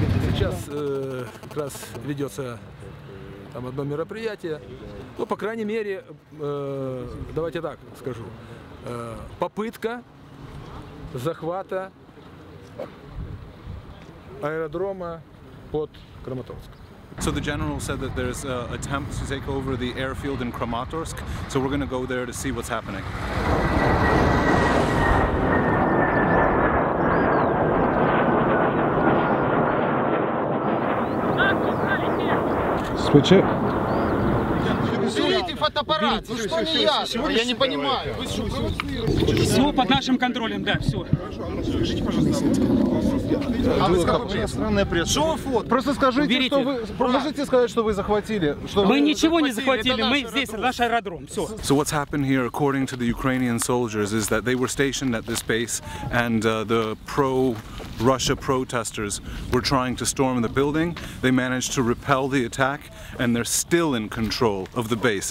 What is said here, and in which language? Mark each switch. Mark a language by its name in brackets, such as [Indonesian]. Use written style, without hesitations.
[Russian] Сейчас как раз ведется там одно мероприятие. Ну, по крайней мере, давайте так скажу. Попытка захвата аэродрома под Краматорск. [English] So the general said that there's an attempt to take over the airfield in Kramatorsk. So we're going to go there to see what's happening. [Russian] Включи. Уберите фотоаппарат, ну что не ясно? Я не понимаю. Все под нашим контролем, да, все. Что вы фото? Просто скажите, что вы, можете сказать, что вы захватили. Что мы ничего не захватили, мы здесь, наш аэродром, все. [English] So what's happened here, according to the Ukrainian soldiers, is that they were stationed at this base, and the pro-Russia protesters were trying to storm the building. They managed to repel the attack, and they're still in control of the base.